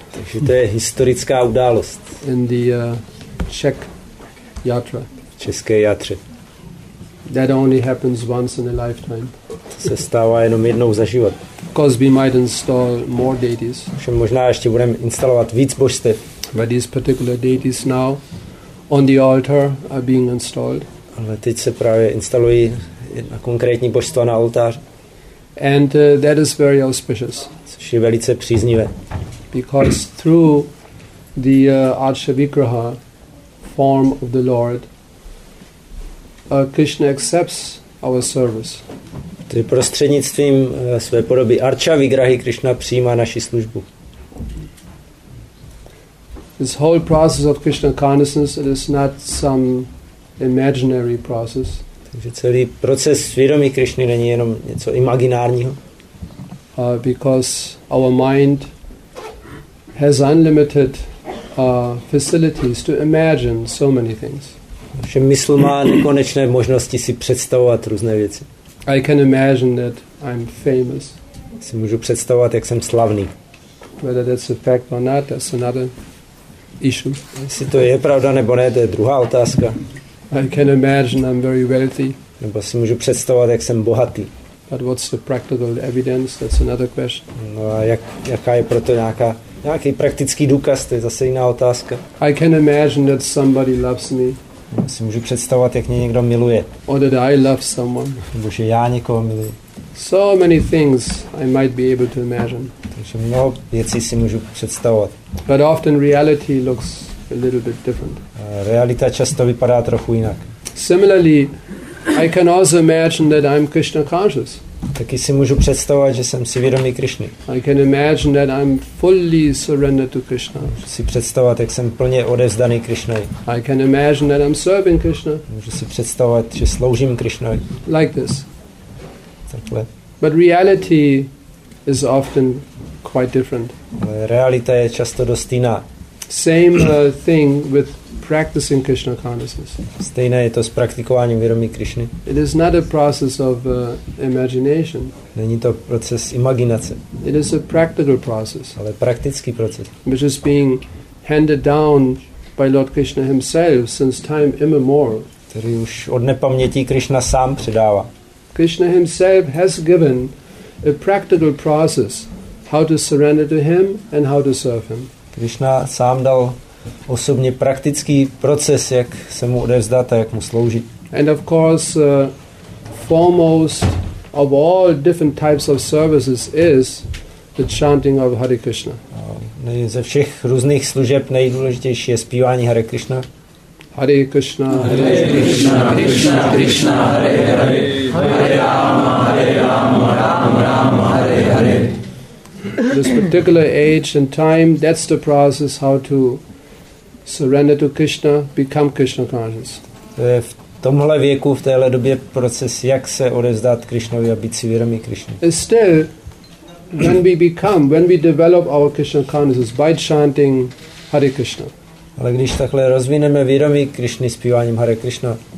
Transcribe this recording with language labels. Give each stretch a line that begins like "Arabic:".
Czech: Takže to je historická událost.
English: In the Czech Yatra.
Czech: V české játře.
English: That only happens once in a lifetime.
Czech: Se stává jenom jednou za život.
English: Because we might install more deities.
Czech: Že možná ještě budeme instalovat víc božstev.
English: But these particular deities now on the altar are being installed.
Czech: Ale teď se právě instalují jedna konkrétní božstva na oltář.
English: And that is very auspicious.
Czech: Což je velice příznivé.
English: Because through the Archavikraha form of the Lord, Krishna accepts our service.
Czech: Tedy prostřednictvím své podoby Archa Vigrahy Krishna přijímá naši službu.
English: This whole process of Krishna consciousness, it is not some imaginary process.
Czech: Takže celý proces svědomí Krishny není jenom něco imaginárního.
English: Because our mind has unlimited facilities to imagine so many things.
Czech: Že mysl má nekonečné možnosti si představovat různé věci.
English: I can imagine that I'm famous.
Czech: Si můžu představovat, jak jsem slavný.
English: Whether that's a fact or not, that's another issue.
Czech: Jestli to je pravda nebo ne, to je druhá otázka.
English: I can imagine I'm very wealthy.
Czech: Nebo si můžu představovat, jak jsem bohatý.
English: But what's the practical evidence? That's another question.
Czech: No a jaká je proto nějaký praktický důkaz? To je zase jiná otázka.
English: I can imagine that somebody loves me.
Czech: Si můžu představovat, jak mě někdo miluje.
English: Or that I love someone.
Czech: Nebo že já někoho miluji.
English: So many things I might be able to imagine.
Czech: Takže mnoho věcí si můžu představovat.
English: But often reality looks a little bit different.
Czech: Realita často vypadá trochu jinak.
English: Similarly, I can also imagine that I'm Krishna conscious.
Czech: Taky si můžu představovat, že jsem si vědomý Krišny.
English: I can imagine that I'm fully surrendered to Krishna.
Czech: Můžu si představovat, jak jsem plně odevzdaný Krišnovi.
English: I can imagine that I'm serving Krishna.
Czech: Můžu si představovat, že sloužím Krišnovi.
English: Like this.
Czech: Takhle.
English: But reality is often quite different.
Czech: Ale realita je často dost jiná.
English: Same thing with practicing Krishna consciousness.
Czech: Stejné je to s praktikováním vědomí Krišny.
English: It is not a process of imagination.
Czech: Není to proces imaginace.
English: It is a practical process.
Czech: Ale praktický proces.
English: Which is being handed down by Lord Krishna himself since time immemorial.
Czech: Který už od nepaměti Krišna sám předává.
English: Krishna himself has given a practical process how to surrender to him and how to serve him.
Czech: Krišna sám dal osobně praktický proces, jak se mu odevzdat a jak mu sloužit.
English: And of course, foremost of all different types of services is the chanting of Hare Krishna.
Czech: Ze všech různých služeb nejdůležitější je zpívání Hare Krishna.
Sanskrit: Hare Krishna, Hare Krishna, Krishna Krishna, Hare Hare, Hare Rama, Hare Rama, Rama Rama, Hare Hare.
English: This particular age and time, that's the process how to surrender to Krishna, become Krishna conscious.
Czech: V tomhle věku, v téhle době proces, jak se odevzdat Krishnovi a být si vědomý Krishna.
English: Still, when we become, when we develop our Krishna consciousness by chanting Hare Krishna.
Czech: Ale když takhle rozvineme vědomí Krishny zpíváním Hare Krishna,